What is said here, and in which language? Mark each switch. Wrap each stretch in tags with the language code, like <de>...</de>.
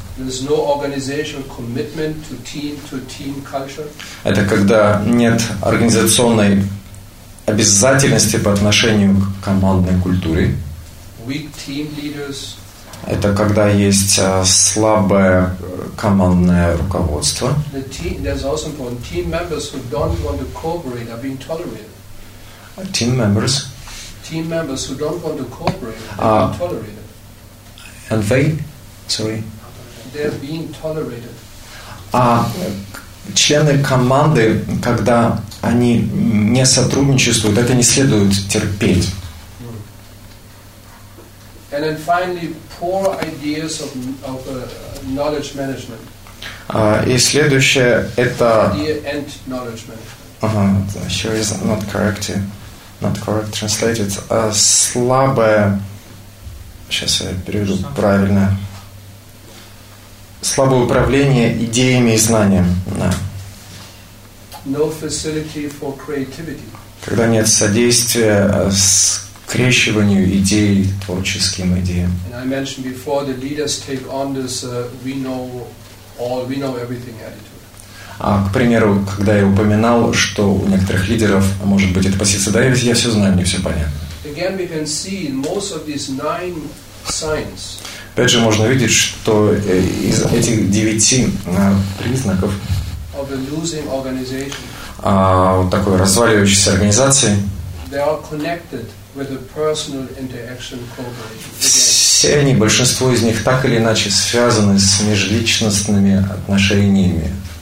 <en>There's no organizational commitment to team culture.</en> <ru>Это когда нет организационной обязательности по отношению к командной культуре.</ru> <en>Weak team leaders.</en> <ru>Это когда есть слабое командное руководство.</ru> <en>The team, that's also important. Team members who don't want to cooperate are being tolerated. Team members. Team members who don't want to cooperate are being tolerated. And they, sorry. They're being tolerated.</en> <ru>А члены команды, когда они не сотрудничают, это не следует терпеть.</ru> <en>And then finally, poor ideas of knowledge management.</en> <ru>И следующее это.</ru> <en>Idea and knowledge management. Sure is not correct. Not correct translated.</en> <ru>Слабое. Сейчас я переведу правильно. Слабое управление идеями и знанием. Да.</ru> <en>No facility for creativity.</en> <ru>Когда нет содействия с скрещиванию идей, творческим идеям.</ru> <en>And I mentioned before, the leaders take on this we know all, we know everything attitude.</en> <ru>А, к примеру, когда я упоминал, что у некоторых лидеров может быть эта позиция, да, я все знаю, мне все понятно.</ru> <en>Again, we can see in most of these nine signs.</en> <ru>Опять же, можно видеть, что из этих девяти признаков</ru> <en>of a losing organization,</en> <ru>вот такой разваливающейся организации,</ru> <en>they are connected with a personal interaction cooperation.</en> <ru>Все они, большинство из них, так или иначе связаны с межличностными отношениями.</ru>